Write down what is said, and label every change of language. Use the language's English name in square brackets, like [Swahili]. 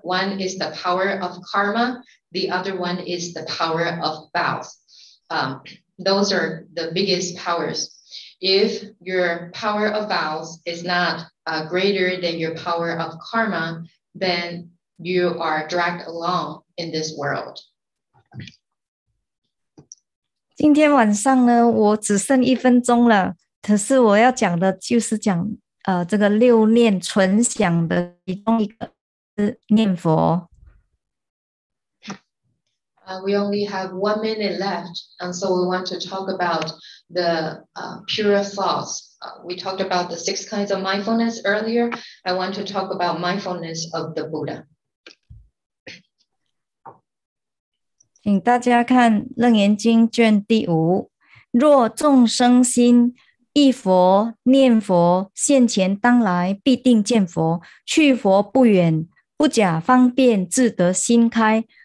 [English] One is the power of karma. The other one is the power of vows. Those are the biggest powers. If your power of vows is not greater than your power of karma, then you are dragged along in this world. [Chinese] 今天晚上呢，我只剩一分钟了，可是我要讲的就是讲这个六念纯想的其中一个是念佛。 [English] We only have 1 minute left, and so we want to talk about the pure thoughts. We talked about the six kinds of mindfulness earlier. I want to talk about mindfulness of the Buddha. [Chinese] 请大家看《楞严经》卷第五，若众生心忆佛、念佛，现前当来必定见佛，去佛不远，不假方便，自得心开。